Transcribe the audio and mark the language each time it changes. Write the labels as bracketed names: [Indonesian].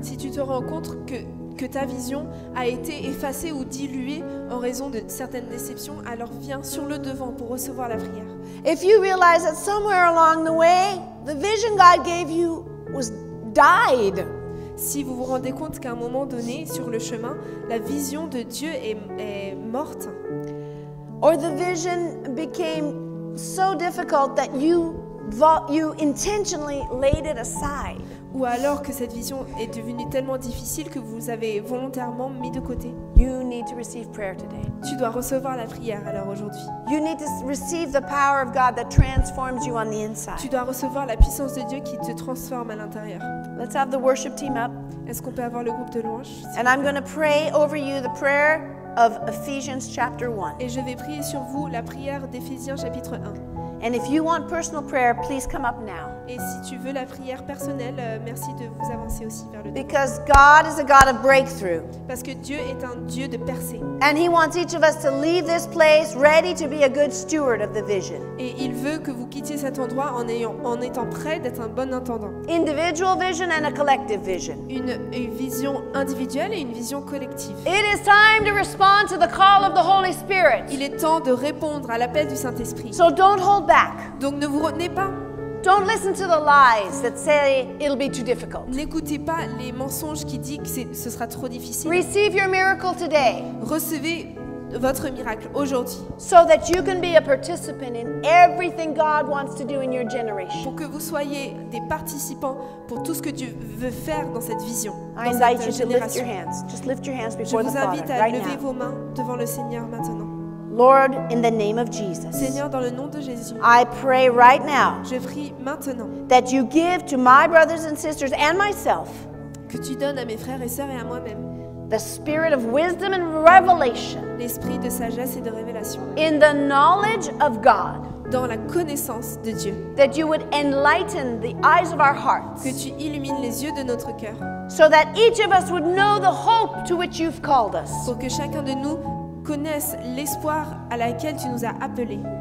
[French] Si tu te rends compte que ta vision a été effacée ou diluée en raison de certaines déceptions, alors viens sur le devant pour recevoir la prière. [English] If you realize that somewhere along the way, the vision God gave you was died. [French] Si vous vous rendez compte qu'à un moment donné, sur le chemin, la vision de Dieu est morte. [English] Or the vision became so difficult that you intentionally laid it aside. [French] Ou alors que cette vision est devenue tellement difficile que vous avez volontairement mis de côté. [English] You need to receive prayer today. [French] Tu dois recevoir la prière alors aujourd'hui. [English] You need to receive the power of God that transforms you on the inside. [French] Tu dois recevoir la puissance de Dieu qui te transforme à l'intérieur. [English] Let's have the worship team up. [French] Est-ce qu'on peut avoir le groupe de louange? [English] And I'm going to pray over you the prayer of Ephesians chapter 1. [French] Et je vais prier sur vous la prière d'Éphésiens chapitre 1. [English] And if you want personal prayer, please come up now. [French] Et si tu veux la prière personnelle, merci de vous avancer aussi vers le devant. [English] Because God is a God of breakthrough. [French] Parce que Dieu est un Dieu de percée. [English] And he wants each of us to leave this place ready to be a good steward of the vision. [French] Et il veut que vous quittiez cet endroit en étant prêt d'être un bon intendant. [English] Individual vision and a collective vision. [French] Une vision individuelle et une vision collective. [English] It is time to respond to the call of the Holy Spirit. [French] Il est temps de répondre à l'appel du Saint-Esprit. [English] So don't hold back. [French] Donc ne vous retenez pas. [English] Don't listen to the lies that say it'll be too difficult. [French] N'écoutez pas les mensonges qui disent que ce sera trop difficile. [English] Receive your miracle today. [French] Recevez votre miracle aujourd'hui. [English] So that you can be a participant in everything God wants to do in your generation. [French] Pour que vous soyez des participants pour tout ce que Dieu veut faire dans cette vision. [English] I invite you to lift your hands. Just lift your hands before the Father. [French] Je vous invite à lever vos mains devant le Seigneur maintenant. [English] Lord, in the name of Jesus, [French] Seigneur, dans le nom de Jésus, [English] I pray right now [French] je prie maintenant [English] that you give to my brothers and sisters and myself [French] que tu donnes à mes frères et sœurs et à moi-même [English] the spirit of wisdom and revelation, [French] l'esprit de sagesse et de révélation, [English] in the knowledge of God, [French] dans la connaissance de Dieu, [English] that you would enlighten the eyes of our hearts, [French] que tu illumines les yeux de notre cœur, [English] so that each of us would know the hope to which you've called us, [French] pour que chacun de nous connaissent l'espoir à laquelle tu nous as appelés.